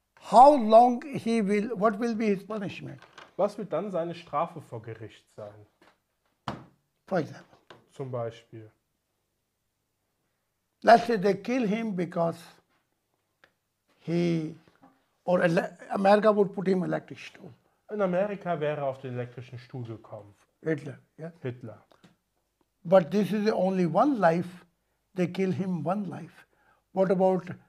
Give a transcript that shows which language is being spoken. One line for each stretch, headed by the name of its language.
English: How long he will, what will be his punishment?
German: Was wird dann seine Strafe vor Gericht sein?
English: For example.
German: Zum Beispiel.
English: Let's say they kill him because he or America would put him electric stool.
German: In Amerika wäre er auf den elektrischen Stuhl gekommen.
English: Hitler, yes.
German: Hitler.
English: But this is the only one life. They kill him one life. What about